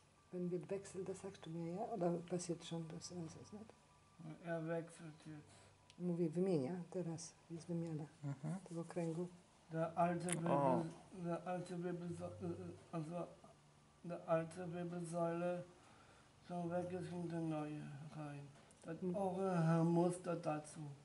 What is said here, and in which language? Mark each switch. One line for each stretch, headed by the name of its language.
German: Wenn wir wechseln, das sagst du mir, ja? Oder passiert schon das? Er wechselt jetzt.
Polish: Mówi, wymienia teraz, jest wymiana tego kręgu.
German: Der alte Wirbelsäule schon weg ist und der neue rein. Das auch ein Muster dazu.